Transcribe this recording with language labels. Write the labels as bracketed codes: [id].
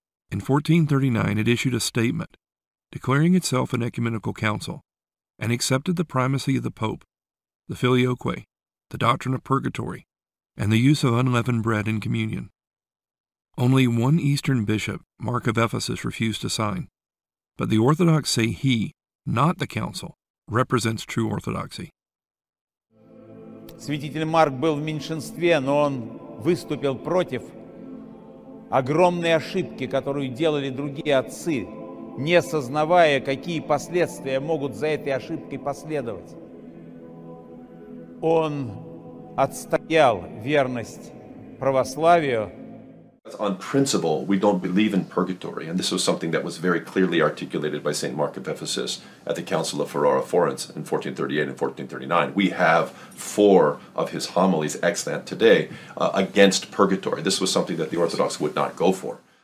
[en] In 1439, it issued a statement declaring itself an ecumenical council and accepted the primacy of the Pope, the Filioque, the doctrine of purgatory, and the use of unleavened bread in communion. Only one Eastern bishop, Mark of Ephesus, refused to sign, but the Orthodox say he, not the council, represents true orthodoxy. [ru] Святитель Марк был в меньшинстве, но он выступил против огромной ошибки, которую делали другие отцы, не сознавая, какие последствия могут за этой ошибкой последовать. Он отстоял верность православию. [en] On principle, we don't believe in purgatory, and this was something that was very clearly articulated by St. Mark of Ephesus at the Council of Ferrara, Florence in 1438 and 1439. We have four of his homilies extant today against purgatory. This was something that the Orthodox would not go for.